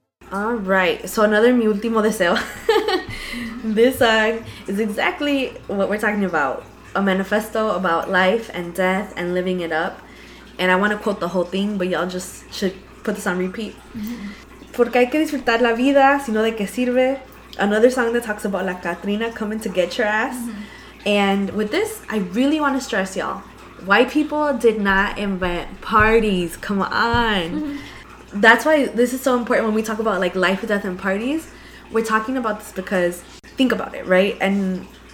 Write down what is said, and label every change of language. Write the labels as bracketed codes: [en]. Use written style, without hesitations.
[en] Right, so another Mi Último Deseo. This song is exactly what we're talking about. A manifesto about life and death and living it up. And I want to quote the whole thing, but y'all just should put this on repeat. [es] Porque hay que disfrutar la vida, si no de qué sirve. [en] Another song that talks about La Catrina coming to get your ass. And with this, I really want to stress, y'all. White people did not invent parties. Come on. That's why this is so important when we talk about, like, life, death, and parties. We're talking about this because, think about it, right? And